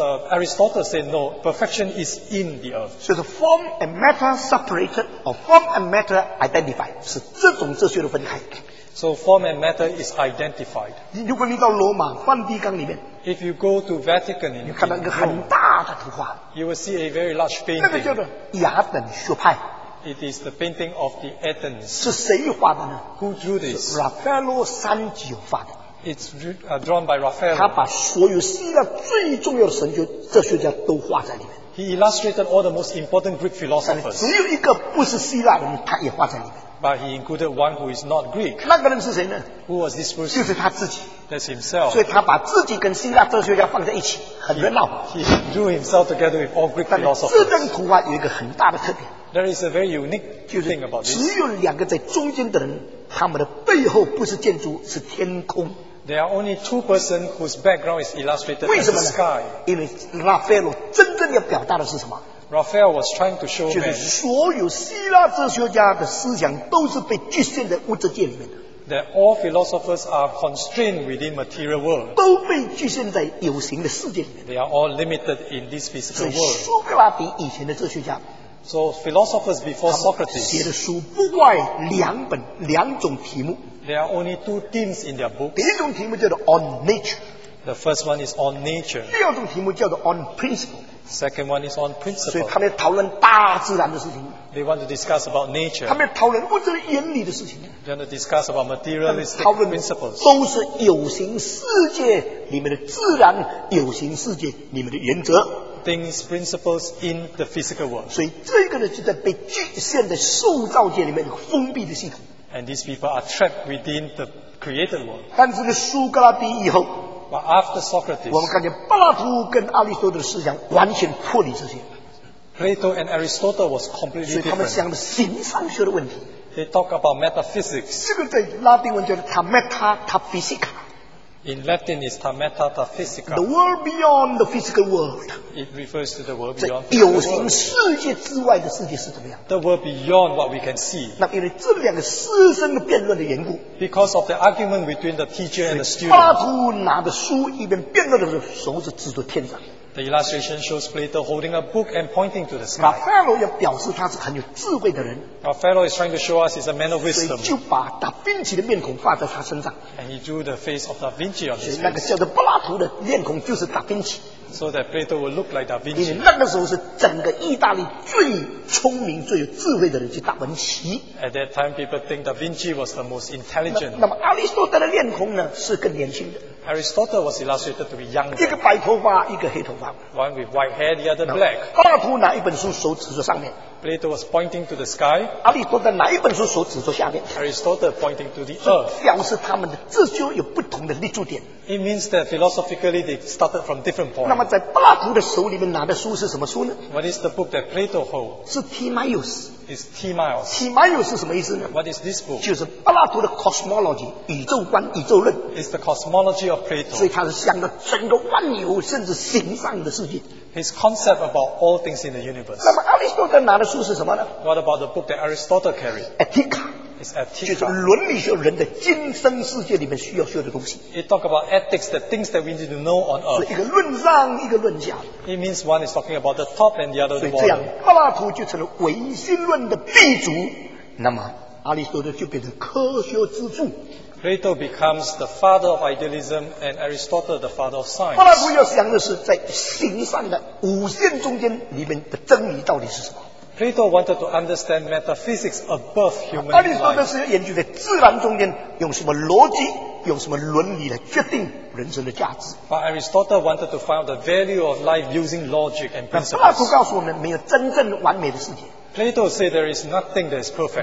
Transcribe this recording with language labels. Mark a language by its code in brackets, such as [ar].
[en] Aristotle said no, perfection is in the earth. So the form and matter separated or form and matter identified [zh] 是这种哲学的分开。 [en] So form and matter is identified. [zh] 如果你到罗马梵蒂冈里面, [en] if you go to Vatican in Rome, you will see a very large painting. [zh] 那个叫做亚等学派。 [en] It is the painting of the Athens. [zh] 是谁画的呢? [en] Who drew this? [zh] Raffaello Sanzio画的。 [en] It's drawn by Raphael. [zh] 他把所有希腊最重要的神学哲学家都画在里面。 [en] He illustrated all the most important Greek philosophers. [zh] 只有一个不是希腊人，他也画在里面。 [en] But he included one who is not Greek. [zh] 那个人是谁呢？ [en] Who was this person? [zh] 就是他自己。 [en] That's himself. [zh] 所以他把自己跟希腊哲学家放在一起，很热闹。 [en] He drew himself together with all Greek philosophers. [zh] 但是自认图画有一个很大的特点。 [en] There is a very unique thing about this. [zh] 只有两个在中间的人。他们的背后不是建筑，是天空。 [en] There are only two persons whose background is illustrated as the sky. [zh] 为什么呢？ 因为拉斐罗真正要表达的是什么？ [en] Raphael was trying to show man. [zh] 就是所有希腊哲学家的思想都是被局限在物质界里面的。 [en] That all philosophers are constrained within material world. [zh] 都被局限在有形的世界里面。 [en] They are all limited in this physical world. [zh] 苏格拉底以前的哲学家。 [en] So philosophers before Socrates. [zh] 写的书不外两本两种题目。 [en] There are only two themes in their book. [zh] 第一种题目叫做 [en] on nature. The first one is on nature. [zh] 第二种题目叫做 [en] on principle. Second one is on principle. [zh] 所以他们讨论大自然的事情。 [en] They want to discuss about nature. [zh] 他们讨论物质的原理的事情。 [en] They want to discuss about materialistic principles. [zh] 都是有形世界里面的自然，有形世界里面的原则。 [en] Things, principles in the physical world. [zh] 所以这个呢，就在被局限的塑造界里面封闭的系统。 [en] And these people are trapped within the created world. [zh] 但是苏格拉底以后。 [en] But after Socrates, [zh] 我们看见柏拉图跟阿里斯多德的思想完全脱离这些。 [en] Plato and Aristotle was completely different. [zh] 所以他们想的形上学的问题。 [en] They talk about metaphysics. [zh] 这个在拉丁文叫做 ta meta ta physica. [en] In Latin, it's ta meta ta physica. The world beyond the physical world. It refers to the world beyond. [zh] 在有形世界之外的世界是怎么样 [en] ？The world beyond what we can see. [zh] 那因为这两个师生的辩论的缘故。 [en] Because of the argument between the teacher and the student. [zh] 柏拉图拿着书一边辩论的时候，手指指着天上。 [en] The illustration shows Plato holding a book and pointing to the sky. [zh] Raphael 要表示他是很有智慧的人。 [en] Raphael is trying to show us he's a man of wisdom. [zh] 所以就把达芬奇的面孔画在他身上。 [en] And he drew the face of Da Vinci on his face. [zh] 所以那个叫做柏拉图的面孔就是达芬奇。 [en] So that Plato would look like Da Vinci. [zh] 因为那个时候是整个意大利最聪明、最有智慧的人，就达芬奇。 [en] At that time, people think Da Vinci was the most intelligent. [zh] 那么阿里斯多德的面孔呢，是更年轻的。 [en] Aristotle was illustrated to be young. [zh] 一个白头发，一个黑头发。 [en] One with white hair, the other black. [zh] 柏拉图拿一本书，手指着上面。 [en] Plato was pointing to the sky. [zh] 阿里斯多德拿一本书，手指着下面。 [en] Aristotle pointing to the earth. [zh] 表示他们的自修有不同的立足点。 [en] It means that philosophically they started from different points. [zh] 那么在柏拉图的手里面拿的书是什么书呢 [en] ？What is the book that Plato holds? [zh] 是 Timaeus. [en] It's Timaeus. [zh] Timaeus 是什么意思呢 [en] ？What is this book? [zh] 就是柏拉图的 cosmology， 宇宙观、宇宙论。 [en] It's the cosmology of Plato. [zh] 所以他是想到整个万有，甚至形上的世界。 [en] His concept about all things in the universe. [zh] 那么阿里斯多德拿的书是什么呢 [en] ？What about the book that Aristotle carried? [la] Ethica. [en] It's ethics. [zh] 就是伦理学人的今生世界里面需要学的东西。 [en] It talk about ethics, the things that we need to know on earth. [zh] 是一个论上，一个论下。 [en] It means one is talking about the top and the other the bottom. [zh] 所以这样，柏拉图就成了唯心论的鼻祖，那么阿里斯多德就变成科学之父。 [en] Plato becomes the father of idealism and Aristotle the father of science. [zh] 柏拉图要想的是在形上的五线中间里面的真理到底是什么。 [en] Plato wanted to understand metaphysics above human life. [zh] 阿里斯多德是研究在自然中间，用什么逻辑，用什么伦理来决定人生的价值。 [en] But Aristotle wanted to find out the value of life using logic and principles. [zh] 柏拉图告诉我们，没有真正完美的世界。 [en] Plato said there is nothing that is perfect.